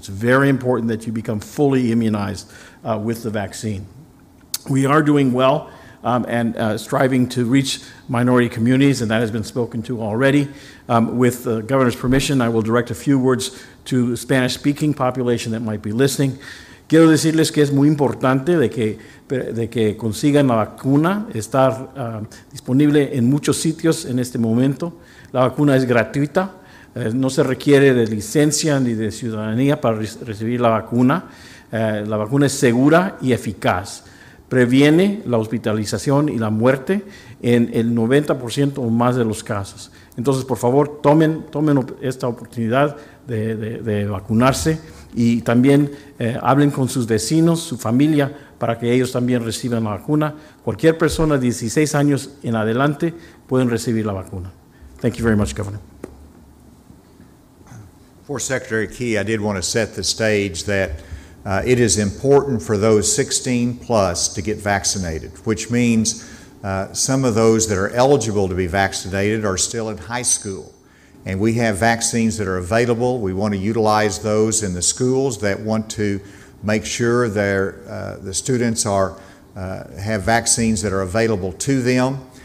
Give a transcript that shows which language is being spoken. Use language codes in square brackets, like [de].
[en] It's very important that you become fully immunized with the vaccine. We are doing well and striving to reach minority communities, and that has been spoken to already. With the governor's permission, I will direct a few words to the Spanish-speaking population that might be listening. [es] Quiero decirles que es muy importante de que consigan la vacuna, estar disponible en muchos sitios en este momento. La vacuna es gratuita, no se requiere de licencia ni de ciudadanía para recibir la vacuna. La vacuna es segura y eficaz. Previene la hospitalización y la muerte en el 90% o más de los casos. Entonces, por favor, tomen esta oportunidad de vacunarse. Y también hablen con sus vecinos, su familia, para que ellos también reciban la vacuna. Cualquier persona de 16 años en adelante pueden recibir la vacuna. [en] Thank you very much, Governor. For Secretary Key, I did want to set the stage that it is important for those 16 plus to get vaccinated, which means some of those that are eligible to be vaccinated are still in high school. And we have vaccines that are available. We want to utilize those in the schools that want to make sure the students have vaccines that are available to them.